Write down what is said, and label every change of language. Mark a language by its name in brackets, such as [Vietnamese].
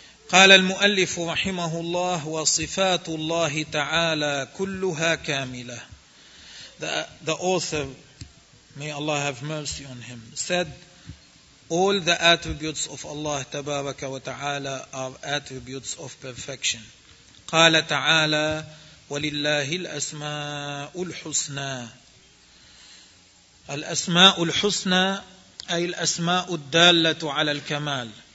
[Arabic] قال المؤلف رحمه الله وصفات الله تعالى كلها كاملة. [English] The author, may Allah have mercy on him, said all the attributes of Allah تبارك وتعالى are attributes of perfection. [Arabic] قال تعالى ولله الأسماء الحسنى. الأسماء الحسنى أي الأسماء الدالة على الكمال.